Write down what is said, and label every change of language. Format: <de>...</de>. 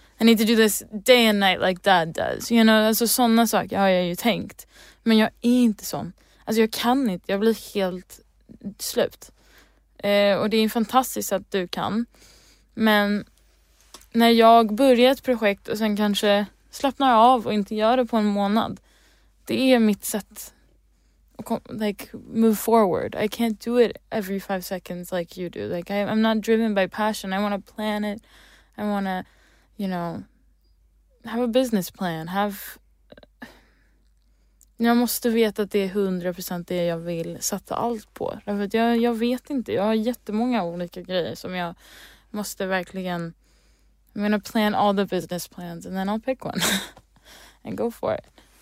<en>I need to do this day and night like dad does. You know,</en> <sv>alltså sådana saker har jag ju tänkt. Men jag är inte sån. Alltså jag kan inte. Jag blir helt slut. Och det är fantastiskt att du kan. Men när jag börjar ett projekt och sen kanske slappnar av och inte gör det på en månad. Det är mitt sätt att</sv> <en>move forward. I can't do it every 5 seconds like you do. Like I'm not driven by passion. I want to plan it. I want to, you know, have a business plan.</en> <sv>Jag måste veta att det är 100% det jag vill sätta allt på. För jag vet inte. Jag har jättemånga olika grejer som jag måste verkligen,</sv> <en>I'm gonna plan all the business plans and then I'll pick one and go for it.</en>